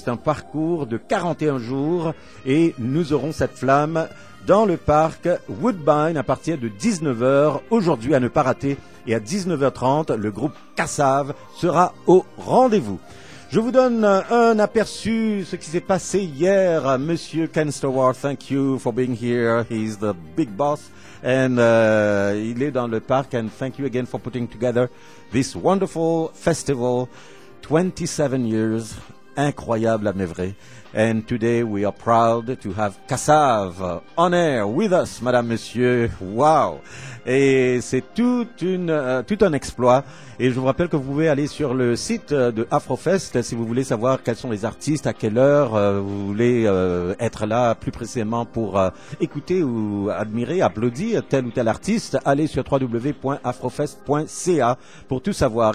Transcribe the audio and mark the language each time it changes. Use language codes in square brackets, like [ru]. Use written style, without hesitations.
[fr] C'est un parcours de 41 jours et nous aurons cette flamme dans le parc Woodbine à partir de 19h. Aujourd'hui, à ne pas rater, et à 19h30, le groupe Cassave sera au rendez-vous. Je vous donne un aperçu de ce qui s'est passé hier. [en] Monsieur Ken Stewart, thank you for being here. He's the big boss. And [fr] il est dans le parc. [en] And thank you again for putting together this wonderful festival. [fr] 27 years. Incroyable, mais vrai. [en] And today we are proud to have Cassave on air with us, madame, monsieur. [fr] Wow! Et c'est tout un exploit. Et je vous rappelle que vous pouvez aller sur le site de Afrofest si vous voulez savoir quels sont les artistes, à quelle heure vous voulez être là plus précisément pour écouter ou admirer, applaudir tel ou tel artiste. Allez sur www.afrofest.ca pour tout savoir.